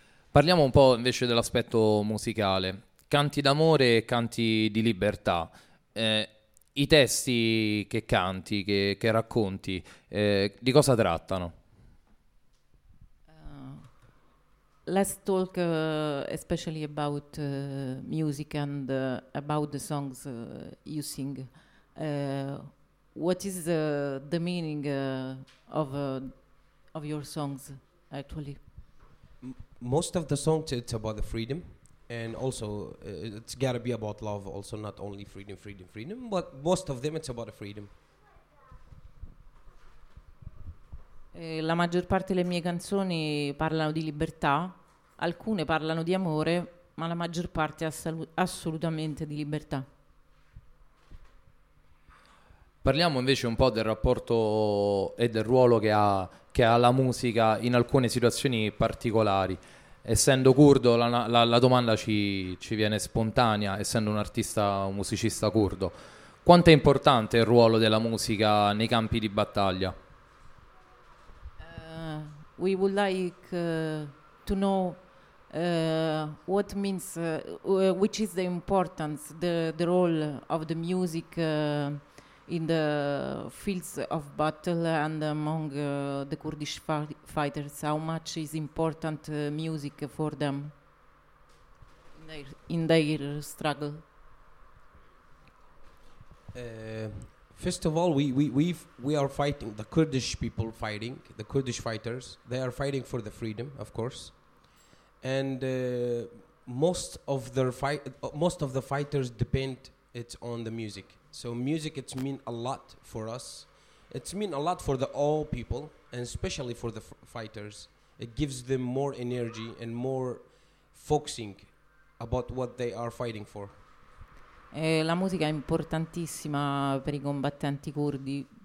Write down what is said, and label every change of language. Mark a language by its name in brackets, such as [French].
[Italian] Parliamo un po' invece dell'aspetto musicale. Canti d'amore e canti di libertà. I testi che canti, che racconti, di cosa trattano? [English] Let's talk especially about music and about the songs you sing. What is the meaning of your songs, actually? Most of the songs, it's about the freedom. And also, it's gotta be about love also, not only freedom, but most of them it's about freedom. [Italian] La maggior parte delle mie canzoni parlano di libertà, alcune parlano di amore, ma la maggior parte assolutamente di libertà. Parliamo invece un po' del rapporto e del ruolo che ha la musica in alcune situazioni particolari. Essendo curdo, la domanda ci viene spontanea, essendo un artista, un musicista curdo. Quanto è importante il ruolo della musica nei campi di battaglia? [English] We would like to know what means, which is the importance, the role of the music in the fields of battle and among the Kurdish fighters. How much is important music for them in their struggle? First of all, we are fighting, the Kurdish people fighting, the Kurdish fighters, they are fighting for the freedom, of course. And most of the fighters depend it's on the music. So music, it's mean a lot for us. It's mean a lot for the all people, and especially for the fighters. It gives them more energy and more focusing about what they are fighting for. [Italian] La musica è importantissima per i combattenti curdi.